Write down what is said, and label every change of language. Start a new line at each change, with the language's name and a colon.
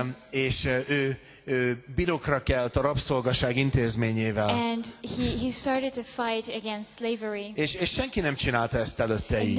Hungarian: És ő birokra kelt a rabszolgaság intézményével.
English: And he started to fight against slavery.
Hungarian: És senki nem csinálta ezt előtte így.